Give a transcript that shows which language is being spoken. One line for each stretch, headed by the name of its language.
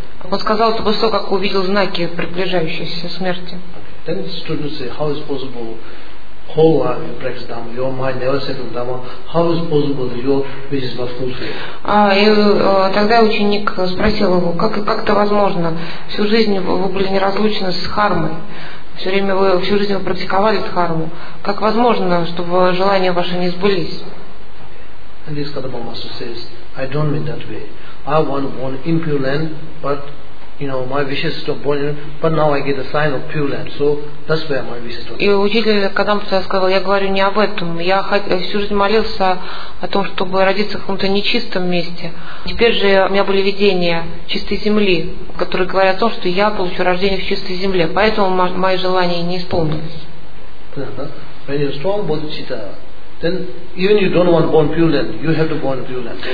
Russian: Он сказал это после того, как увидел знаки приближающейся смерти.
English: Then the student said, how is possible whole life you practice Dhamma, your mind never settled Dhamma, how is possible that your wish is not fulfilled?
Russian: Тогда ученик спросил его, как это возможно? Всю жизнь вы были неразлучны с Дхармой. Всю жизнь вы практиковали Дхарму. Как возможно, чтобы желания ваши не сбылись?
English: And this Kadama Master says, I don't mean that way. I want to be impure land, but you know, my wishes to born in, but now I get a sign of pure land, so that's where my wishes to.
Russian: И учитель Кадампа сказал, я говорю не об этом. Я всю жизнь молился о том, чтобы родиться в каком-то нечистом месте. Теперь же у меня были видения чистой земли, которые говорят о том, что я получу рождение в чистой земле. Поэтому мои желания не исполнились.
English: When you're strong bodhicitta, then even you don't want born pure land, you have to born pure land.